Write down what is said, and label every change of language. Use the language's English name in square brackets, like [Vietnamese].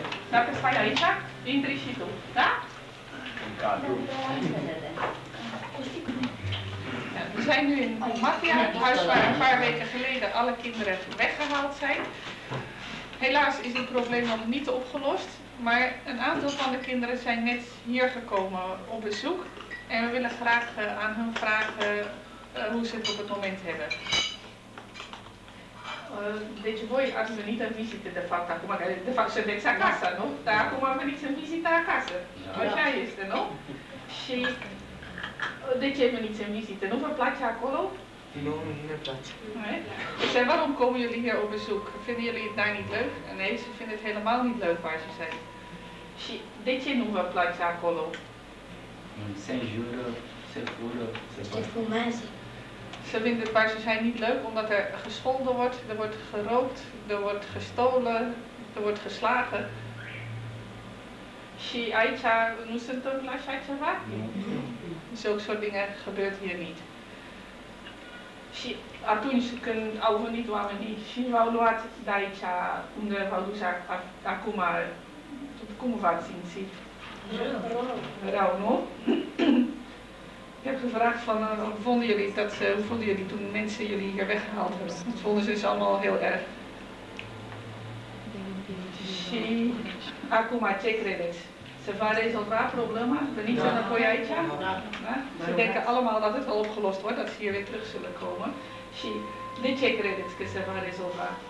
[Romanian] Dacă stai aici, intri și tu, da? În cadru. [Dutch] We zijn nu in Matia, het huis waar een paar weken geleden alle kinderen weggehaald zijn. Helaas is het probleem nog niet opgelost, maar een aantal van de kinderen zijn net hier gekomen op bezoek. En we willen graag aan hun vragen hoe ze het op het moment hebben. [Romanian] Deci voi ați venit în vizită de fapt acum, de fapt sunteți acasă, nu? Dar acum am venit în vizită acasă. Așa este, nu? Și de ce veniți în vizită? Nu vă place acolo? Nu, nu ne place. [Dutch] Dus en waarom komen jullie hier op bezoek? Vinden jullie het daar niet leuk? Nee, ze vinden het helemaal niet leuk waar ze zijn. [Romanian] Și de ce nu vă place acolo? Se înjură, se fură, se fumează. [Dutch] Ze vinden het waar ze zijn niet leuk, omdat er gescholden wordt, er wordt gerookt, er wordt gestolen, er wordt geslagen. [Romanian] Și aici nu se întâmplă așa ceva? [Dutch] Zulke soort dingen gebeurt hier niet. [Romanian] Și atunci când au venit oamenii și v-au luat de aici, unde v-au dus acum, cum v-ați simțit? Rău, nu? [Dutch] Ik heb gevraagd van vonden jullie dat hoe vonden jullie toen mensen jullie hier weggehaald hebben? Dat vonden ze dus allemaal heel erg. [Romanian] Și acum ce credeți? Se va rezolva problema? Veniți înapoi aici? [Dutch] Ze denken allemaal dat het wel opgelost wordt, dat ze hier weer terug zullen komen. [Romanian] Și de ce credeți că se va rezolva?